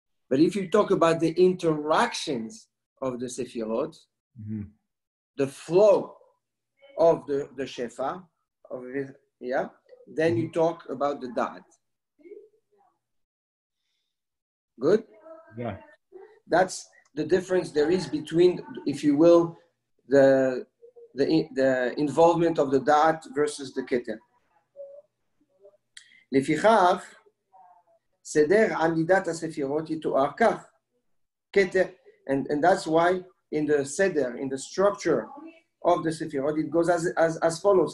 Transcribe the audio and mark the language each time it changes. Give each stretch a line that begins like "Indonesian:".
English: But if you talk about the interactions of the Sefirot, the flow of the Shefa, of it, yeah, then you talk about the Da'at. Good? Yeah. That's the difference there is between, if you will, the involvement of the Da'at versus the Keter.
Hebrew: לפיכך, סדר עמידת הספירות יתואר כך.
English: Keter, and that's why in the Seder, in the structure of the Sefirot, it goes as follows.